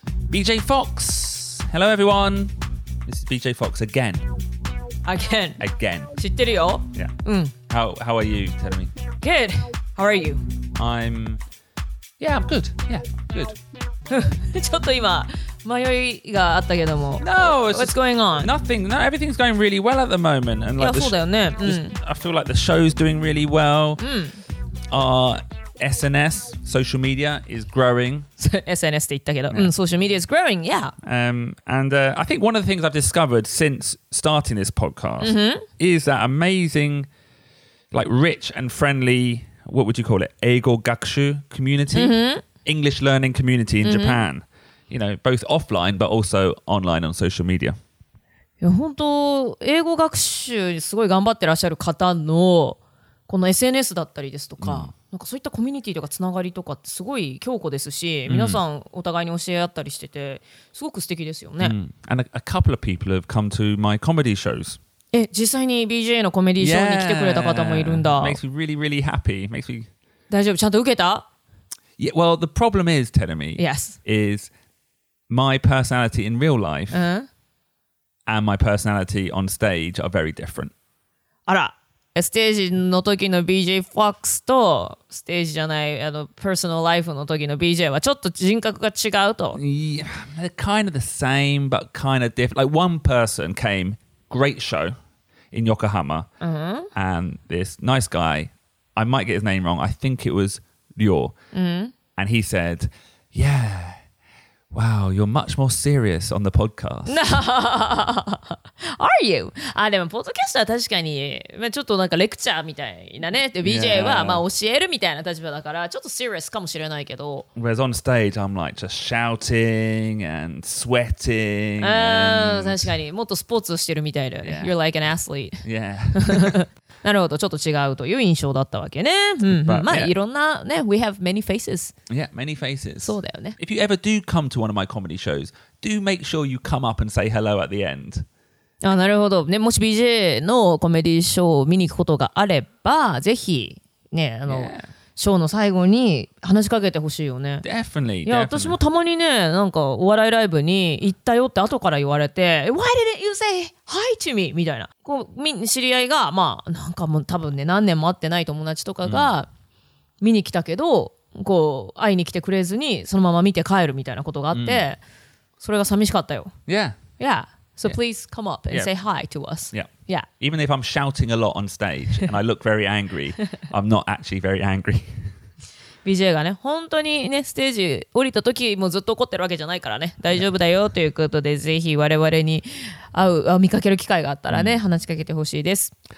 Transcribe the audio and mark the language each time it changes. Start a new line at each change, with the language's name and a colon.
English: BJ Fox。 Hello everyone! This is BJ Fox again. Again. Again.
Japanese: 知ってるよ。
English: Yeah. How are you, tell me? Good. How are you? Yeah, I'm good. Yeah, good.
Japanese: ちょっと今迷いがあったけども。
English: No, what's going on? Nothing. No, everything's going really well at the moment. And like, I feel like the show's doing really well. Our SNS, social media, is growing. SNS
Japanese: って言ったけど、
English: social media is growing. Yeah. I think one of the things I've discovered since starting this podcast is that amazing, like rich and friendly, what would you call it?
Japanese: 英語学習
English: community, English learning community in Japan. You know, both offline, but also online on social media.
Japanese: いや、本当、英語学習にすごい頑張ってらっしゃる方のこの SNS だったりですとか、なんかそういったコミュニティとかつながりとかってすごい強固ですし、皆さんお互いに教え合ったりしてて、すごく素敵ですよね。
English: And a couple of people have come to my comedy shows.
Japanese: え、実際に BJ のコメディショーに来てくれた方もいるんだ。
English: Makes me really, really happy. Makes me...
Japanese: 大丈夫、ちゃんと受けた？
English: Yeah, well, the problem is, Terumi, Yes. is... My personality in real life and my personality on stage are very different.
Japanese: あら、ステージの時の BJ Fox とステージじゃない、あの、personal life の時の BJ はちょっと人格が違うと。
English: Yeah, they're kind of the same, but kind of different. Like one person came, great show in Yokohama, and this nice guy, I might get his name wrong, I think it was Ryo, and he said, yeah,Wow, you're much more serious on the podcast. Are you?
Japanese: あ、でもポッドキャストは確かに、まあ、ちょっとなんかレクチャーみたいなね。で、BJ は、yeah. まあ教えるみたいな立場だから、ちょっと serious かもしれないけど。
English: Whereas on stage, I'm like just shouting and sweating. And...
Japanese: 確かに。もっとスポーツをしてるみたいだよね。
English: Yeah. You're like an athlete. Yeah.
Japanese: なるほど。ちょっと違うという印象だったわけね。
English: But,
Japanese: まあ、
English: yeah.
Japanese: いろんなね。
English: We have many faces. Yeah, many faces.
Japanese: そうだよね。
English: If you ever do come to one of my comedy shows, do make sure you come up and say hello at the end.
Japanese: あ、なるほど。ね、もし BJ のコメディショーを見に行くことがあれば、ぜひ、ね、あの、ショーの最後に話しかけてほしいよね。
English: Definitely.
Japanese: いや、私もたまにね、なんかお笑いライブに行ったよって後から言われて、
English: Why didn't you say hi to me?
Japanese: みたいな。こう、知り合いが、まあ、なんかもう多分ね、何年も会ってない友達とかが見に来たけど、こう会いに来てくれずにそのまま見て帰るみたいなことがあって、それが寂しかったよ。
English: Yeah. Yeah. So please come up and say hi to us. Yeah. Yeah. Even if I'm shouting a lot on stage and I look very angry, I'm not actually very angry.
Japanese: BJ がね、本当にね、ステージ降りた時もずっと怒ってるわけじゃないからね、大丈夫だよということで、ぜひ我々に会う、見かける機会があったらね、話しかけてほしいです。